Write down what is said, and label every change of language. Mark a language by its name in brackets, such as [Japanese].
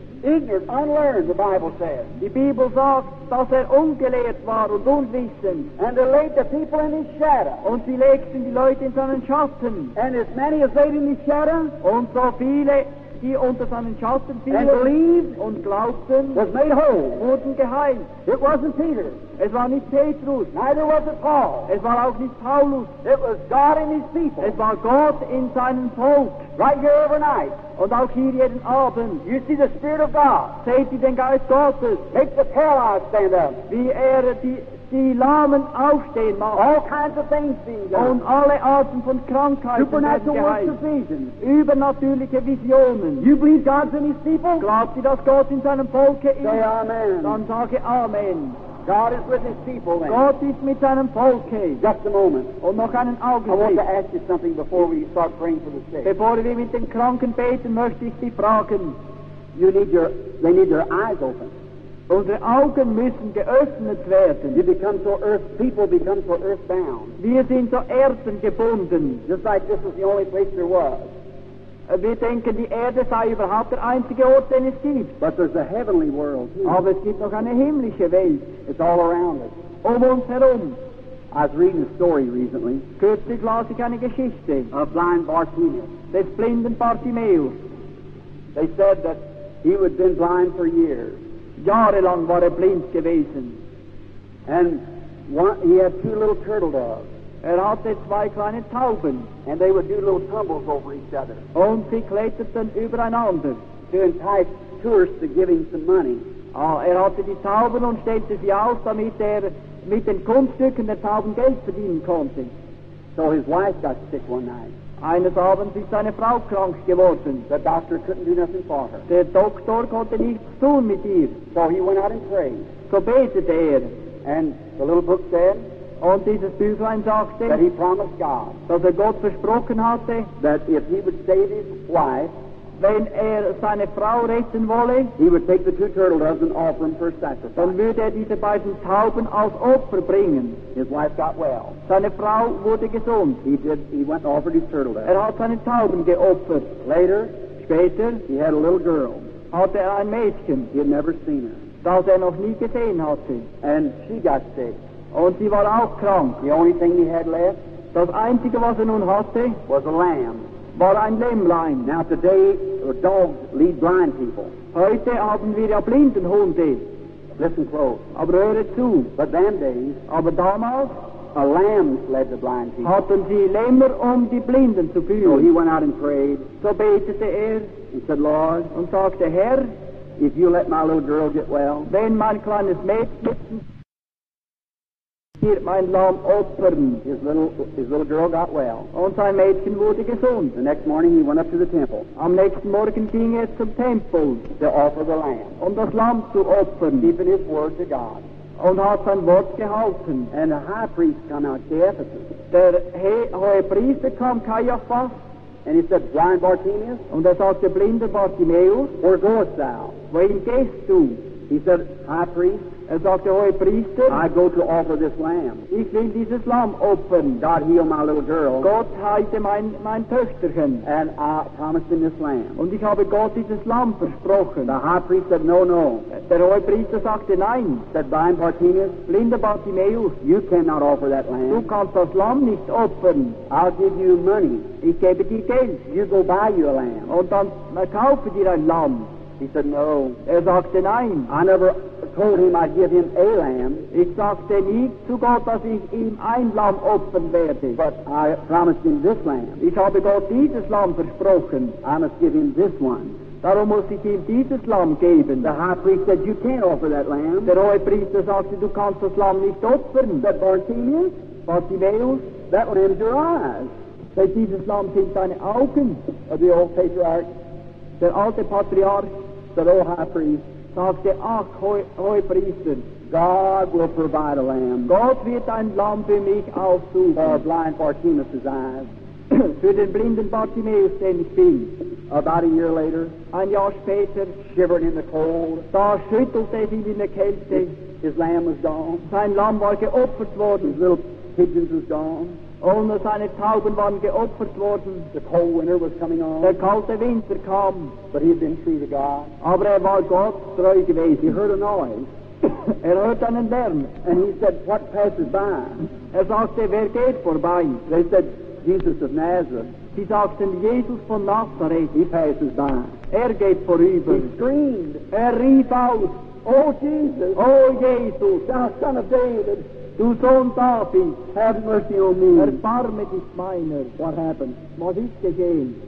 [English] Ignorant, unlearned, the Bible says. [German] Die Bibel sagt, dass er ungelehrt war und unwissend. [English] And they laid the people in his shadow. [German] Und sie legten die Leute in seinen Schatten. [English] And as many as laid in his shadow. [German] Und so viele die unter seinen Schatten fielen [English] and believed [German] und glaubten, [English] was made whole. [German] Wurden geheilt. [English] It wasn't Peter. [German] Es war nicht Petrus. [English] Neither was it Paul. [German] Es war auch nicht Paulus. [English] It was God in his people. [German] Es war Gott in seinem Volk. [English] Right here overnight. [German] Und auch hier jeden Abend. [English] You see the Spirit of God. [German] Seht ihr den Geist Gottes. [English] Make the paralyzed stand up. [German] Wie die Lahmen aufstehen machen. [English] All kinds of things being done. [German] Und alle Arten von Krankheiten. [English] Supernatural works of vision. [German] Übernatürliche Visionen. [English] You believe God's in his people? [German] Glaubt ihr, dass Gott in seinem Volk ist? [English] Say amen. [German] Dann sage Amen. [English] God is with his people then. [German] Gott ist mit seinem Volk. [English] Just a moment. [German] Und noch einen Augenblick. [English] I want to ask you something before we start praying for the sick. [German] Bevor wir mit den Kranken beten, möchte ich dich fragen. [English] They need your eyes open. [German] Unsere Augen müssen geöffnet werden. [English] You become so earth, people become so earthbound. [German] Wir sind so erdengebunden. [English] Just like this is the only place there was. [German] Wir denken, die Erde sei überhaupt der einzige Ort, den es gibt. [English] But there's a heavenly world too. [German] Aber es gibt noch eine himmlische Welt. [English] It's all around us. [German] Um uns herum. [English] I was reading a story recently. [German] Kürzlich las ich eine Geschichte. [English] Of blind Bartimaeus. [German] Des blinden Bartimaeus. [English] They said that he had been blind for years. [German] Jahrelang war er blind gewesen. [English] And he had two little turtle doves. [German] Er hatte zwei kleine Tauben. [English] And they would do little tumbles over each other. [German] Und sie kletterten übereinander. [English] To entice tourists to give him some money. [German] Er hatte die Tauben und stellte sie aus, damit er mit den Kunststücken der Tauben Geld verdienen konnte. [English] So his wife got sick one night. [German] Eines Abends ist seine Frau krank geworden. [English] The doctor couldn't do nothing for her. [German] Der Doktor konnte nichts tun mit ihr. [English] So he went out and prayed. [German] So betete er. [English] And the little book said, [German] und dieses Büchlein sagte, [English] that he promised God, [German] dass er Gott versprochen hatte, [English] that if he would save his wife, [German] wenn er seine Frau retten wolle, [English] he would take the two turtle doves and offer them for sacrifice. [German] Dann würde er diese beiden Tauben als Opfer bringen. [English] His wife got well. [German] Seine Frau wurde gesund. [English] He went and offered his turtle doves. [German] Er hat seine Tauben geopfert. [English] Later, [German] später, [English] he had a little girl. [German] Hatte er ein Mädchen. [English] He had never seen her. [German] Das er noch nie gesehen hatte. [English] And she got sick. [German] Und sie war auch krank. [English] The only thing he had left, [German] das Einzige, was er nun hatte, [English] was a lamb. [German] War ein Lämmlein. [English] Now today, dogs lead blind people. [German] Heute haben wir ja Blindenhunde. [English] Listen close. [German] Aber höre zu. [English] But them days, [German] aber damals, [English] a lamb led the blind people. [German] Hatten sie Lämmer, die Blinden zu führen. [English] So he went out and prayed. [German] So betete er. [English] And said, Lord. [German] Und sagte, Herr. [English] If you let my little girl get well. [German] Wenn mein kleines Mädchen hier mein Lamm opfern. [English] His little girl got well. [German] Und sein Mädchen wurde gesund. [English] The next morning he went up to the temple. [German] Am nächsten Morgen ging er zum Tempel. [English] To offer the lamb. [German] Um das Lamm zu opfern. [English] Keeping his word to God. [German] Und hat sein Wort gehalten. [English] And the high priest came out to Ephesus. [German] Der hohe Priester kam Caiaphas. [English] And he said, blind Bartimaeus. [German] Und sagte, blinder Bartimaeus. [English] Where goest thou? [German] Wohin gehst du? [English] He said, high priest. [German] Er sagte, hohe Priester, [English] I go to offer this lamb. [German] Ich will dieses Lamm opfern. [English] God heal my little girl. [German] Gott heilte mein Töchterchen. [English] And I promised him this lamb. [German] Und ich habe Gott dieses Lamm versprochen. [English] The high priest said, no. [German] Der hohe Priester sagte, nein. [English] Said, blind Bartimaeus, [German] blinder Bartimaeus, [English] you cannot offer that lamb. [German] Du kannst das Lamm nicht opfern. [English] I'll give you money. [German] Ich gebe dir Geld. [English] You go buy you a lamb. [German] Und dann kaufe dir ein Lamm. [English] He said, no. [German] Er sagte, nein. [English] I never told him I'd give him a lamb. [German] Ich sagte nie zu Gott, dass ich ihm ein Lamm opfern werde. [English] But I promised him this lamb. [German] Ich habe Gott dieses Lamm versprochen. [English] I must give him this one. [German] Darum muss ich ihm dieses Lamm geben. [English] The high priest said, you can't offer that lamb. [German] Der hohe Priester sagte, du kannst das Lamm nicht opfern. [English] But Bartimaeus, [German] Bartimaeus, [English] that one is your eyes. [German] Say, dieses Lamm sind deine Augen. [English] Of the old patriarch. [German] Der alte Patriarch. [English] Said, oh high priest. [German] Sagte, ach, hohe Priester, [English] God will provide a lamb. [German] Gott wird ein Lamm für mich aussuchen. [English] For blind Bartimaeus' eyes. [German] Für den blinden Bartimaeus, den ich bin. [English] About a year later. [German] Ein Jahr später. [English] Shivering in the cold. [German] Da schüttelte ihn in der Kälte. [English] His lamb was gone. [German] Sein Lamm war geopfert worden. [English] His little pigeons was gone. [German] Und seine Tauben waren geopfert worden. [English] The cold winter was coming on. [German] Der kalte Winter kam. [English] But he had been true to God. [German] Aber er war Gott treu gewesen. [English] He heard a noise. [German] Er hörte einen Lärm. [English] And he said, what passes by? [German] Er sagte, wer geht vorbei? [English] They said, Jesus of Nazareth. [German] Sie sagten, Jesus von Nazareth. [English] He passes by. [German] Er geht vorüber. [English] He screamed. [German] Er rief aus. [English] Oh, Jesus. [German] Oh, Jesus. [English] Thou son of David. [German] Du Sohn Davids. [English] Have mercy on me. [German] Erbarme dich meiner. [English] What happened? [German] Was ist geschehen?